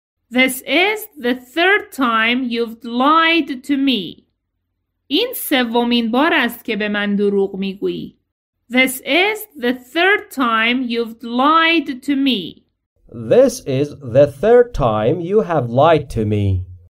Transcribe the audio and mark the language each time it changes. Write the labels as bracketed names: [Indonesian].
[English] This is the third time you've lied to me. [Persian] این سومین بار است که به من دروغ میگویی. [English] This is the third time you've lied to me. This is the third time you have lied to me.